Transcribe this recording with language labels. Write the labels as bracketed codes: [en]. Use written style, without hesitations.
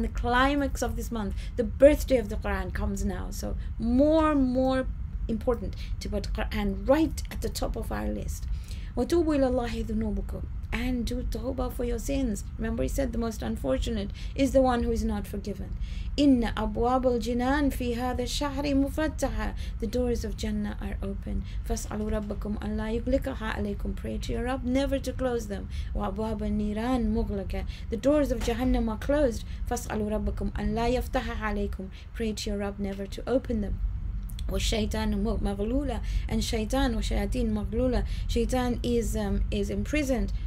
[en] And the climax of this month, the birthday of the Quran, comes now. So more important to put Quran right at the top of our list. وَتُوبُوا إِلَى اللَّهِ ذُنُوبُكُمْ, and do tawbah for your sins. Remember, he said the most unfortunate is the one who is not forgiven. [ar] إِنَّ أَبْوَابُ الْجِنَانِ فِي هَذَا الشَّهْرِ مُفَتَّحَ, the doors of Jannah are open. [en] فَاسْأَلُوا رَبَّكُمْ أَلَّا يُغْلِقَهَا عَلَيْكُمْ, pray to your Rabb never to close them. وَأَبْوَابُ النِّيرَانِ مُغْلَقَ, the doors of Jahannam are closed. فَاسْأَلُوا رَبَّكُمْ أَلَّا يَفْتَحَهَا عَلَيْكُمْ, pray to your Rabb never to open them. وَالشَّيْطَانُ مَغْلُولَ, and shaitan, وَشَيَاطِين مَغْلُولَ, shaitan is imprisoned.